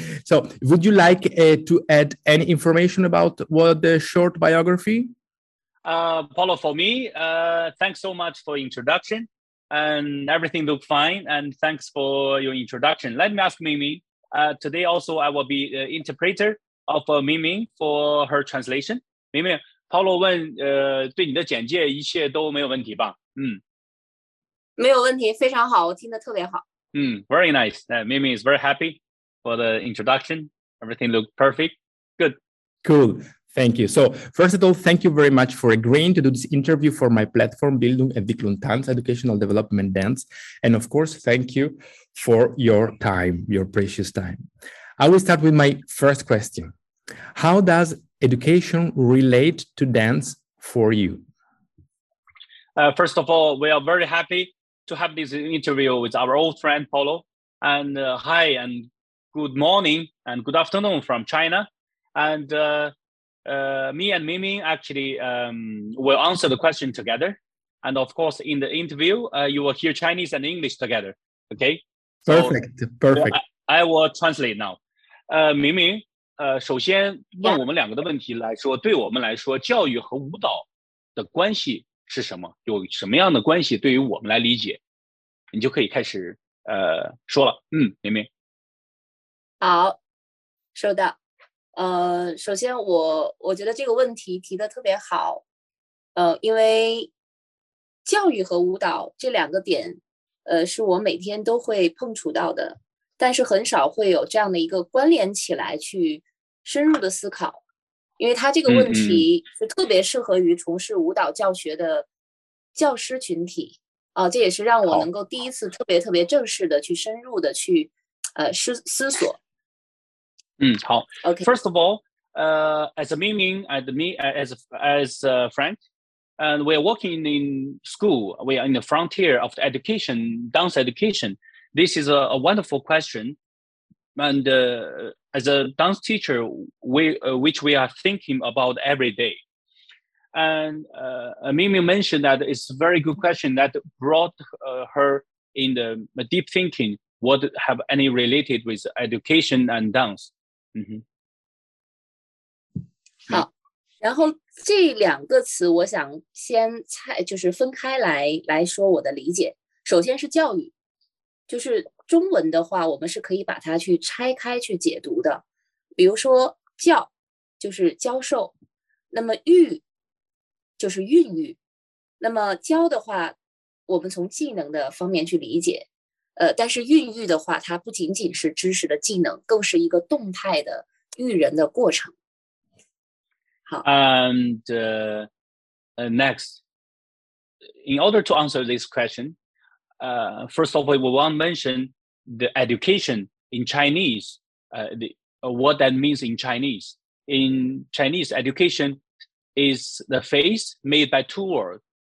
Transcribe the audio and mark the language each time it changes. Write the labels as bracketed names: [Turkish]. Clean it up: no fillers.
[English] So, would you like to add any information about what the short biography? Paolo, for me, thanks so much for introduction. And everything looked fine. And thanks for your introduction. Let me ask Mimi. Today also, I will be the interpreter of Mimi for her translation. [Chinese] Mimi, Paolo, 问对你的简介，一切都没有问题吧？嗯。没有问题，非常好，我听得特别好。 [English] Very nice. Mimi is very happy for the introduction. Everything looked perfect. Good. Cool. Thank you. So first of all, thank you very much for agreeing to do this interview for my platform, Bildung Entwicklung Tanz, Educational Development Dance. And of course, thank you for your time, your precious time. I will start with my first question. How does education relate to dance for you? First of all, we are very happy to have this interview with our old friend, Paolo. And hi, and good morning, and good afternoon from China. And me and Mimi actually will answer the question together. And of course, in the interview, you will hear Chinese and English together, okay? Perfect, so, perfect. I will translate now. [Chinese] Mimi, 首先问我们两个的问题来说，对我们来说，教育和舞蹈的关系是什么？有什么样的关系？对于我们来理解，你就可以开始说了。明明。好，收到。首先我觉得这个问题提的特别好。因为教育和舞蹈这两个点，是我每天都会碰触到的，但是很少会有这样的一个关联起来去深入的思考。因为他这个问题是特别适合于从事舞蹈教学的教师群体啊，这也是让我能够第一次特别特别正式的去深入的去思索。好。 [English] Okay. First of all, as a Ming Ming and me as Frank, and we're working in school, we are in the frontier of the education, dance education. This is a wonderful question. And as a dance teacher, which we are thinking about every day. And Mimi mentioned that it's a very good question that brought her in the deep thinking, what have any related with education and dance. Mm-hmm. [Chinese] 好，然后这两个词我想先就是分开来说我的理解。首先是教育，就是中文的话我们是可以把它去拆开去解读的，比如说教就是教授，那么育就是孕育，那么教的话我们从技能的方面去理解，但是孕育的话，它不仅仅是知识的技能，更是一个动态的育人的过程。好。 [English] And next, in order to answer this question, first of all, we want to mention the education in Chinese. What that means in Chinese. In Chinese, education is the face made by two words.